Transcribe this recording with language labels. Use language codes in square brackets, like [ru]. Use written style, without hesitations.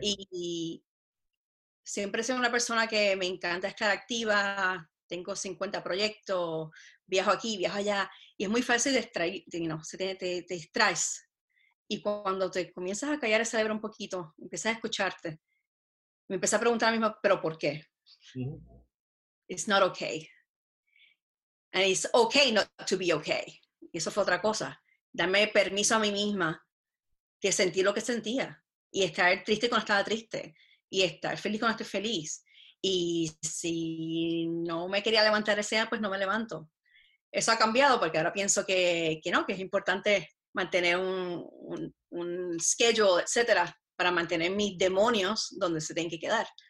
[es] Y siempre soy una persona que me encanta estar activa, tengo 50 proyectos, viajo aquí, viajo allá, y es muy fácil distraerte, ¿no? te distraes. Y cuando te comienzas a callar el cerebro un poquito, empiezas a escucharte, me empecé a preguntar a mí misma, ¿pero por qué? [en] Mm-hmm. It's not okay. And it's okay not to be okay. [es] Y eso fue otra cosa. Darme permiso a mí misma de sentir lo que sentía, y estar triste cuando estaba triste, y estar feliz cuando estoy feliz. Y si no me quería levantar ese día, pues no me levanto. Eso ha cambiado, porque ahora pienso que no, que es importante mantener un schedule, etcétera, para mantener mis demonios donde se tienen que quedar.